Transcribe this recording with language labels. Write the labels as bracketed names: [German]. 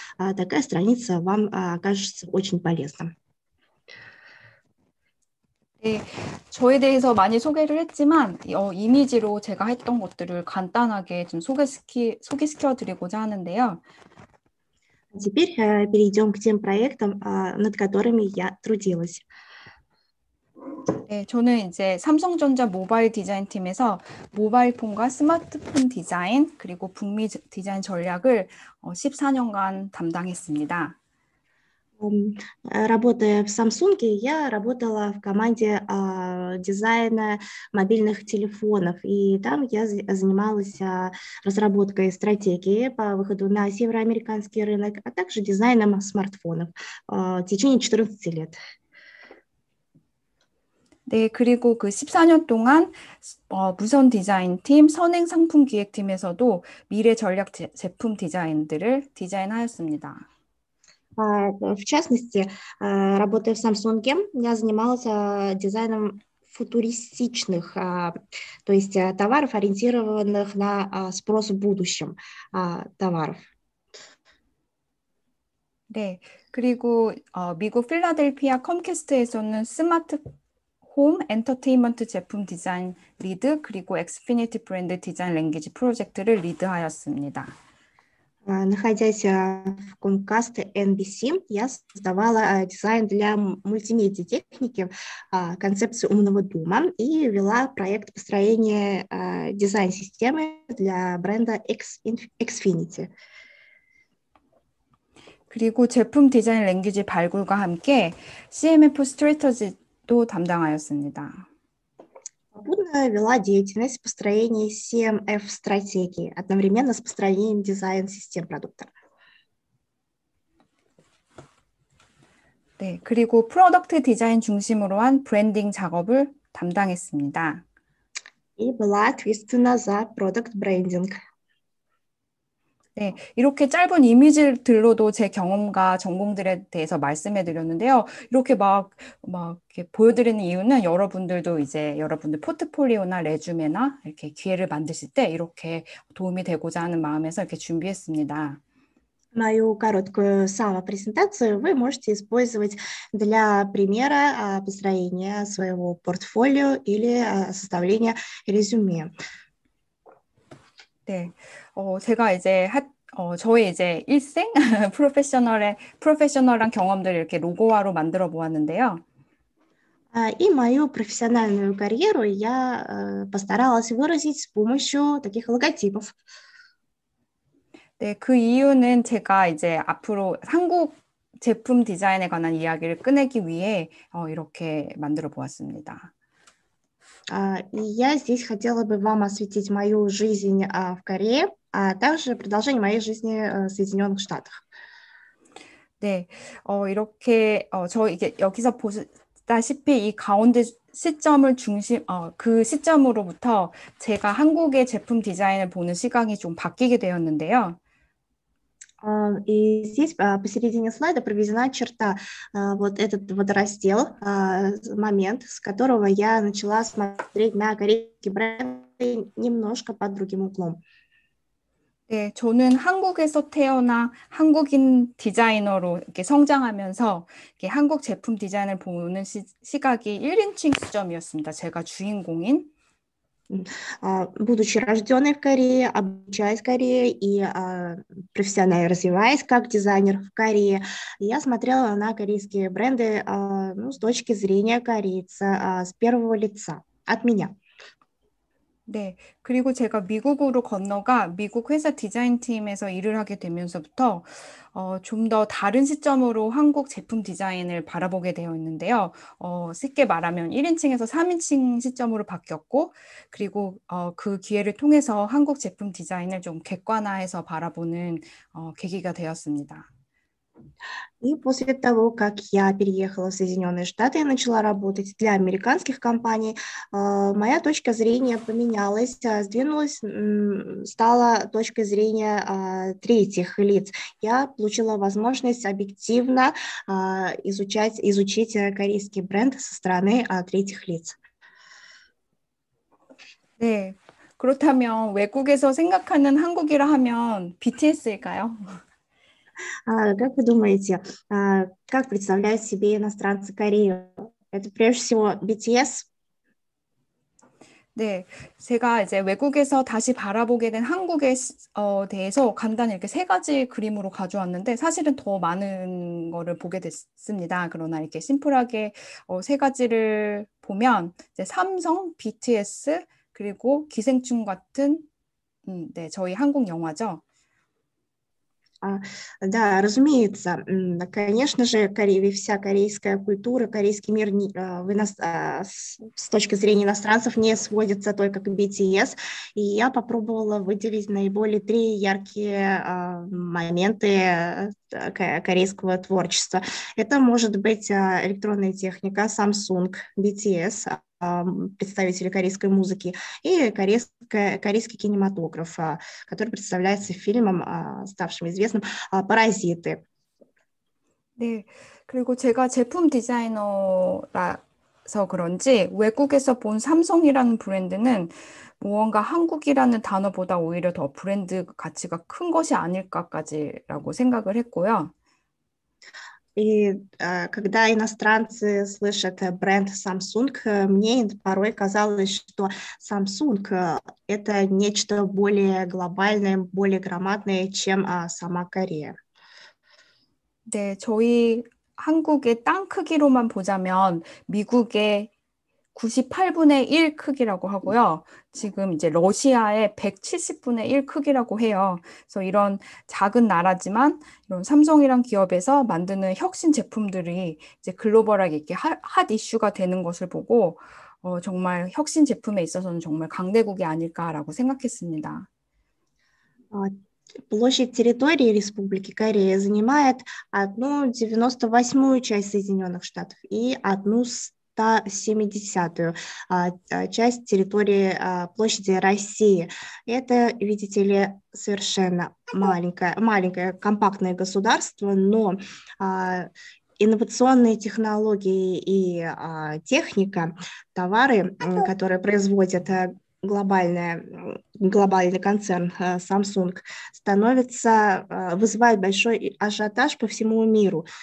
[Russian] Такая страница вам окажется очень полезна. [Korean] 네, 저에 대해서 많이 소개를 했지만 이미지로 제가 했던 것들을 간단하게 좀 소개시켜 드리고자 하는데요. [Russian] Теперь перейдем к тем проектам, над которыми я трудилась. [Korean] 네, 저는 이제 삼성전자 모바일 디자인 팀에서 모바일 폰과 스마트폰 디자인 그리고 북미 디자인 전략을 14년간 담당했습니다. [Russian] Работая в Samsung, я работала в команде дизайна мобильных телефонов, и там я занималась разработкой стратегии по выходу на североамериканский рынок, а также дизайном смартфонов в течение 14 лет. [Korean] 네, 그리고 그 14년 동안 무선 디자인 팀, 선행 상품 기획 팀에서도 미래 전략 제품 디자인들을 디자인하였습니다. [Russian] В частности, работая в Samsung, я занималась дизайном футуристичных, то есть товаров, ориентированных на спрос в будущем товаров. [Korean] 네, 그리고 미국 필라델피아 컴캐스트에서는 홈 엔터테인먼트 제품 디자인 리드 그리고 엑스피니티 브랜드 디자인 랭귀지 프로젝트를 리드하였습니다. [Russian] Находясь в Comcast NBC, я создавала дизайн для мультимедиа техники, концепцию умного дома и вела проект построения дизайн-системы для бренда Xfinity. [Korean] 그리고 제품 디자인 랭귀지 발굴과 함께 CMF 스트래터지 또 담당하였습니다. [Russian] Попутно вела деятельность построения CMF-стратегии, одновременно с построением дизайн-систем продукта. [Korean] 네, 그리고 프로덕트 디자인 중심으로 한 브랜딩 작업을 담당했습니다. [Russian] 이 была ответственна за [English] product branding. [Korean] 네, 이렇게 짧은 이미지들로도 제 경험과 전공들에 대해서 말씀해 드렸는데요. 이렇게 막 이렇게 보여드리는 이유는 여러분들도 이제 여러분들 포트폴리오나 레주메나 이렇게 기회를 만드실 때 이렇게 도움이 되고자 하는 마음에서 이렇게 준비했습니다. [Russian] Мою короткую самопрезентацию вы можете использовать для примера построения своего портфолио или составления резюме. [Korean] 네, 제가 이제 저의 이제 일생 프로페셔널한 경험들을 이렇게 로고화로 만들어 보았는데요. [Russian] И мою профессиональную карьеру я постаралась выразить с помощью таких логотипов. [Korean] 네, 그 이유는 제가 이제 앞으로 한국 제품 디자인에 관한 이야기를 꺼내기 위해 이렇게 만들어 보았습니다. [Russian] Я здесь хотела бы вам осветить мою жизнь в Корее, а также продолжение моей жизни в Соединенных Штатах. [Korean] 네, 이렇게 저 이게 여기서 보시다시피 이 가운데 시점을 중심 어그 시점으로부터 제가 한국의 제품 디자인을 보는 시각이 좀 바뀌게 되었는데요. И здесь посередине слайда проведена черта, вот этот водораздел, момент, с которого я начала смотреть на корейские бренды немножко под другим углом. 네, 저는 한국에서 태어나 한국인 디자이너로 이렇게 성장하면서 이렇게 한국 제품 디자인을 보는 시각이 1인칭 시점이었습니다. 제가 주인공인. [Russian] Будучи рожденной в Корее, обучаясь в Корее и профессионально развиваясь как дизайнер в Корее, я смотрела на корейские бренды ну, с точки зрения корейца, с первого лица, от меня. [Korean] 네, 그리고 제가 미국으로 건너가 미국 회사 디자인팀에서 일을 하게 되면서부터 좀더 다른 시점으로 한국 제품 디자인을 바라보게 되었는데요. 쉽게 말하면 1인칭에서 3인칭 시점으로 바뀌었고, 그리고 그 기회를 통해서 한국 제품 디자인을 좀 객관화해서 바라보는 계기가 되었습니다. [Russian] И после того, как я переехала в Соединенные Штаты и начала работать для американских компаний, моя точка зрения поменялась, сдвинулась, стала точкой зрения третьих лиц. Я получила возможность объективно изучить корейский бренд со стороны третьих лиц. [Korean] 네, 그렇다면 외국에서 생각하는 한국이라 하면 BTS일까요? [Russian] А как вы думаете, как представляют себе иностранцы Корею? Это прежде всего BTS? [Korean] 네, 제가 이제 외국에서 다시 바라보게 된 한국에 대해서 간단히 이렇게 세 가지 그림으로 가져왔는데 사실은 더 많은 거를 보게 됐습니다. 그러나 이렇게 심플하게 세 가지를 보면 이제 삼성, BTS, 그리고 기생충 같은 네, 저희 한국 영화죠. [Russian] Да, разумеется. Конечно же, вся корейская культура, корейский мир с точки зрения иностранцев не сводится только к BTS. И я попробовала выделить наиболее три яркие моменты корейского творчества. Это может быть электронная техника Samsung, BTS, представители корейской музыки, и корейский кинематограф, который представляется фильмом, ставшим известным, «Паразиты». [Korean] 네, 그리고 제가 제품 디자이너라서 그런지 외국에서 본 삼성이라는 브랜드는 무언가 한국이라는 단어보다 오히려 더 브랜드 가치가 큰 것이 아닐까까지라고 생각을 했고요. [Russian] И когда иностранцы слышат бренд Samsung, мне порой казалось, что Samsung — это нечто более глобальное, более громадное, чем сама Корея. [Korean] 네, 저희 한국의 땅 크기로만 보자면 미국의 98분의 1 크기라고 하고요. 지금 이제 러시아의 170분의 1 크기라고 해요. 그래서 이런 작은 나라지만 이런 삼성이란 기업에서 만드는 혁신 제품들이 이제 글로벌하게 이렇게 핫 이슈가 되는 것을 보고 정말 혁신 제품에 있어서는 정말 강대국이 아닐까라고 생각했습니다. [Russian] Площадь территории Республики Корея занимает 1,98 часть Соединенных Штатов и 1,170 часть территории площади России. Это, видите ли, совершенно маленькое компактное государство, но инновационные технологии и техника, товары, которые производят глобальный концерн Samsung вызывает большой ажиотаж по всему миру.